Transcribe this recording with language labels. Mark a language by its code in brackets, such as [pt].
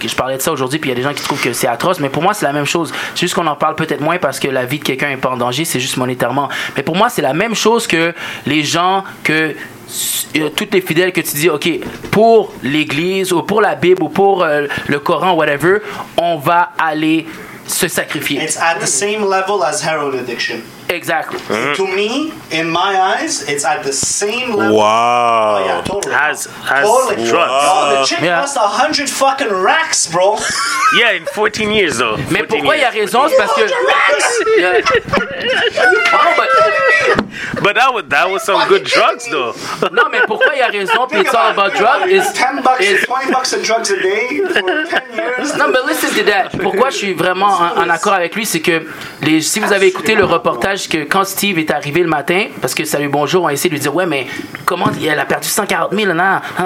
[fr] Je parlais de ça aujourd'hui, puis il y a des gens qui trouvent que c'est atroce, mais pour moi, c'est la même chose. C'est juste qu'on en parle peut-être moins parce que la vie de quelqu'un n'est pas en danger, c'est juste monétairement. Mais pour moi, c'est la même chose que les gens que. Toutes les fidèles que tu dis, ok, pour l'église, ou pour la Bible, ou pour le Coran, whatever, on va aller. Se sacrifier. [en] It's at the same level as heroin addiction. Exactly. Mm-hmm. To me, in my eyes, it's at the same level. Wow. Oh, yeah, totally. As totally. Drugs. Wow. Oh, the chick cost 100 fucking racks, bro. Yeah, in 14 years, though. [fr] Mais pourquoi il y a raison? C'est parce que. [en] Racks! Yeah. Oh, but. But that was some good drugs, though. [fr] Non, mais pourquoi il y a raison, puis [en] it's all about drugs. It's 10 bucks, it's 20 bucks of drugs a day for 10 years. Non, but listen to that. [fr] Pourquoi je suis vraiment en accord avec lui, c'est que si vous avez écouté le reportage, que quand Steve est arrivé le matin, parce que salut, bonjour, on a essayé de lui dire, ouais, mais comment, elle a perdu 140 000, non, hein?